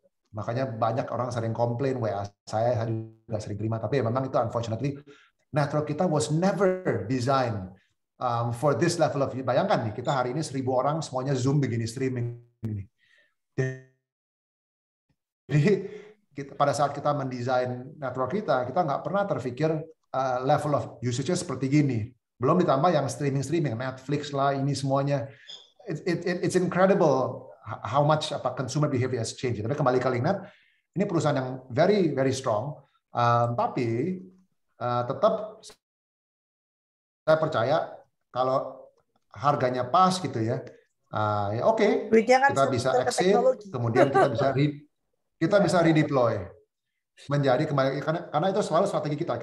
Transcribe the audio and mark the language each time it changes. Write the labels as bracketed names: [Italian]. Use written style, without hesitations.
[Indonesian] Makanya banyak orang sering komplain, WA saya juga sering terima, tapi ya memang itu unfortunately network kita [English] was never designed for this level of, [Indonesian] bayangkan nih, kita hari ini 1,000 orang semuanya Zoom begini, streaming begini. Jadi kita, pada saat kita mendesain network kita nggak pernah terpikir [English] level of usage-nya [Indonesian] seperti gini. Belum ditambah yang streaming-streaming, Netflix lah, ini semuanya. [English] It's incredible how much apa consumer behavior has changed. [Indonesian] Tapi kembali ke Linknet, ini perusahaan yang [English] very, very strong. [Indonesian] Tapi tetap saya percaya kalau harganya pas gitu ya, ya oke, okay, kita bisa exit, kemudian kita bisa redeploy menjadi kembali, karena itu selalu strategi kita.